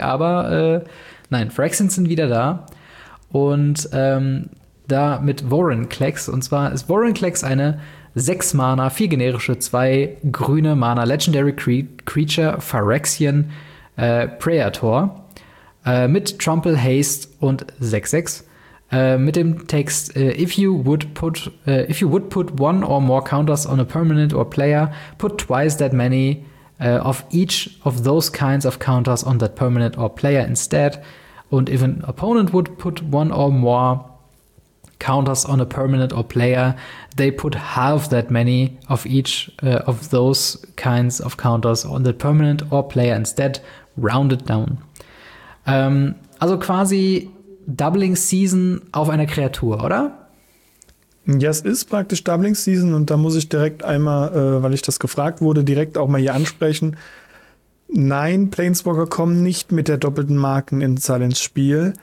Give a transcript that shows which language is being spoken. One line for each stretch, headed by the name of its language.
German: Aber nein, Phyrexians sind wieder da. Und da mit Warren Klex. Und zwar ist Warren Klex eine 6-Mana, 4 generische, 2 grüne Mana, Legendary Creature, Phyrexian, Praetor mit Trample, Haste und 6/6. Mit dem Text,
English: if you would put one or more counters on a permanent or player, put twice that many of each of those kinds of counters on that permanent or player instead. Und if an opponent would put one or more counters on a permanent or player, they put half that many of each of those kinds of counters on the permanent or player instead, rounded down.
German: Also quasi Doubling Season auf einer Kreatur, oder? Ja, es ist praktisch Doubling Season und da muss ich direkt einmal, weil ich das gefragt wurde, direkt auch mal hier ansprechen. Nein, Planeswalker kommen nicht mit der doppelten Marken in Zahl ins Spiel.